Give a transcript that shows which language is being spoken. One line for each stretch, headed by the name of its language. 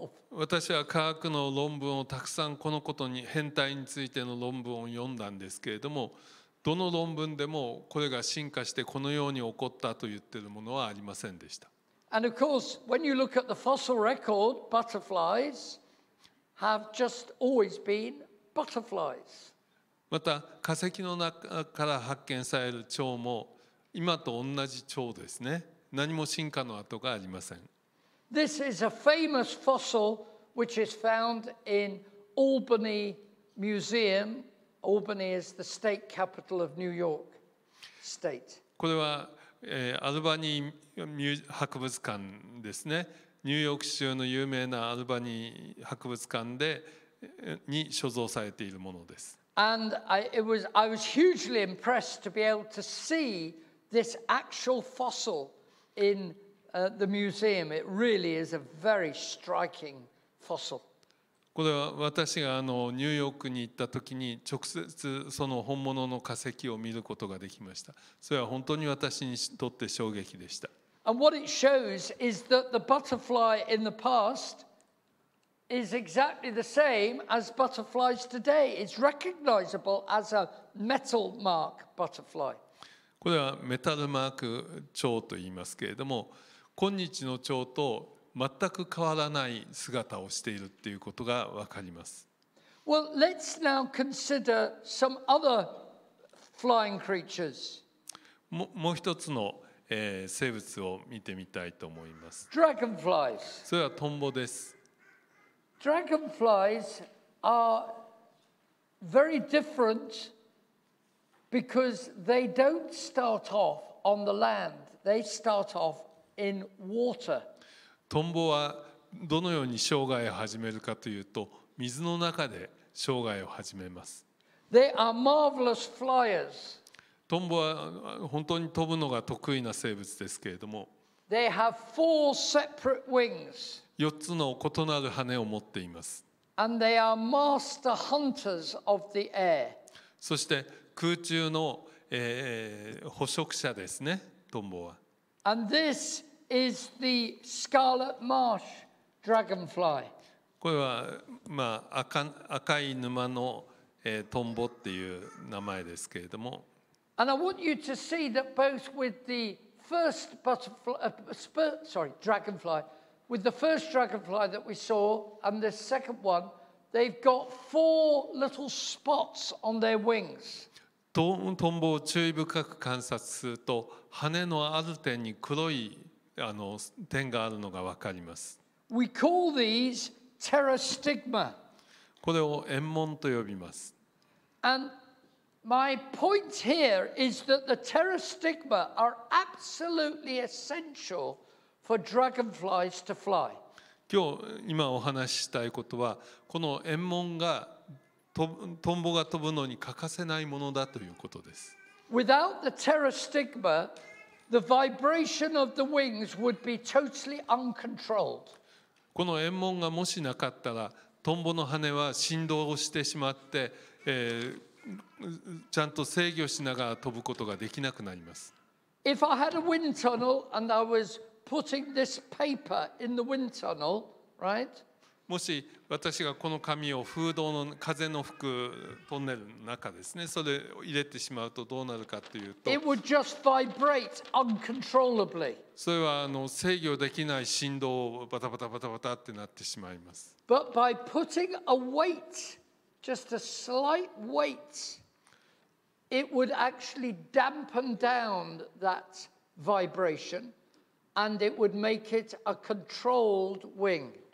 Japanese: 私は科学の論文をたくさんこのことに変態についての論文を読んだんですけれども、どの論文でもこれが進化してこのように起こったと言っているものはありませんでした。
English: And of course, when you look at the fossil record, butterflies have just always been butterflies.
Japanese: また化石の中から発見される蝶も今と同じ蝶ですね。何も進化の跡がありません。
English: This is a famous fossil which is found in Albany Museum. Albany is the state capital of New York State.
Japanese: これは、アルバニー博物館ですね。ニューヨーク州の有名なアルバニー博物館でに所蔵されているものです。
English: And I was hugely impressed to be able to see this actual fossil inthe museum. It really is a very striking fossil.
Japanese: これは私があのニューヨークに行った時に直接その本物の化石を見ることができました。それは本当に私にとって衝撃でした。
English: And what it shows is that the butterfly in the past is exactly the same as butterflies today. It's recognizable as a metal mark butterfly.
Japanese: これはメタルマーク蝶と言いますけれども、今日の蝶と全く変わらない姿をしているっていうことがわかります。
English: Well, let's now consider some other flying creatures.
Japanese: もう一つの、生物を見てみたいと思います。
English: Dragonflies.
Japanese: それはトンボです。
English: Dragonflies are very different because they don't start off on the land. They start offin water.
Japanese: トンボはどのように生涯を始めるかというと、水の中で生涯を始めます。
English: They are marvelous flyers.
Japanese: トンボは本当に飛ぶのが得意な生物ですけれども、
English: They have four separate wings.
Japanese: 4つの異なる羽を持っています。
English: And they are master hunters of the air.
Japanese: そして空中の、捕食者ですね、トンボは。
English: And this is the scarlet marsh dragonfly.
Japanese: これは、まあ、赤い沼の、トンボっていう名前ですけれども。
English: And I want you to see that both with the first butterfly, dragonfly, with the first dragonfly that we saw and the second one, they've got four little spots on their wings.
Japanese: トンボを注意深く観察すると、羽のある点に黒いあの点があるのが分かります。
English: We call these pterostigma.
Japanese: これを円紋と呼びます。
English: And my point here is that the pterostigma are absolutely essential for dragonflies to fly.
Japanese: 今お話ししたいことは、この円紋がトンボが飛ぶのに欠かせないものだということです。
English: Without the pterostigma, the vibration of the wings would be totally uncontrolled.
Japanese: この円紋がもしなかったら、トンボの羽は振動をしてしまって、ちゃんと制御しながら飛ぶことができなくなります。
English: If I had a wind tunnel and I was putting this paper in the wind tunnel, right?
Japanese: もし私がこの紙を風洞の風の吹くトンネルの中ですね、それを入れてしまうとどうなるかというと、
English: It would just vibrate uncontrollably.
Japanese: それは制御できない振動をバタバタバタバタってなってしまいます。
English: But by putting a weight, just a slight weight, it would actually dampen down that vibration, and it would make it a controlled wing.